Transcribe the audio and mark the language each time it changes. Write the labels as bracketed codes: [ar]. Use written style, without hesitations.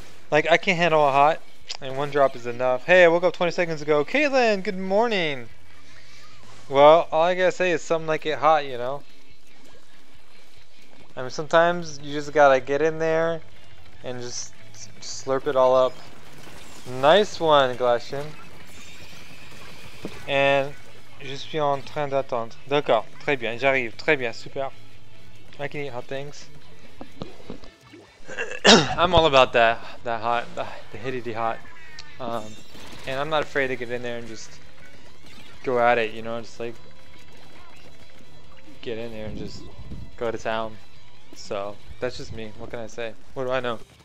[en] Like, I can't handle a hot, and one drop is enough. Hey, I woke up 20 seconds ago. Caitlin, good morning! Well, all I gotta say is something like it hot, you know? I mean, sometimes you just gotta get in there and just slurp it all up. Nice one, Glashin. [fr] And je suis en train d'attendre. D'accord, très bien, j'arrive, très bien, super. [en] I can eat hot things. I'm all about that hot, the hitty hot. And I'm not afraid to get in there and just go at it, you know, just like get in there and just go to town. So that's just me. What can I say? What do I know?